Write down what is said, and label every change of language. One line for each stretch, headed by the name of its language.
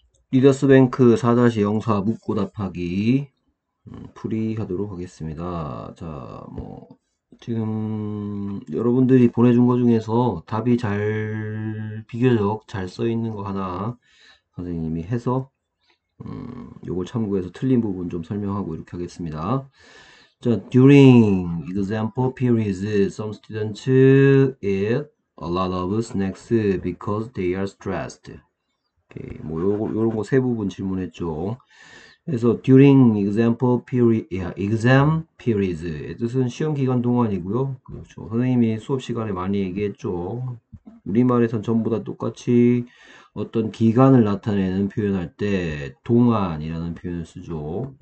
Korean: 리더스뱅크 4-04 묻고 답하기 풀이하도록 하겠습니다. 자, 뭐 지금 여러분들이 보내준 것 중에서 답이 잘 비교적 잘써 있는 거 하나 선생님이 해서 요걸 참고해서 틀린 부분 좀 설명하고 이렇게 하겠습니다.
English: 자, during example periods, some students eat a lot of snacks because they are stressed.
Korean: 뭐 요런 거세 부분 질문했죠. 그래서
English: during example period, exam periods
Korean: 의 뜻은 시험 기간 동안이고요. 그렇죠. 선생님이 수업 시간에 많이 얘기했죠. 우리말에선 전부 다 똑같이 어떤 기간을 나타내는 표현할 때 동안이라는 표현을 쓰죠.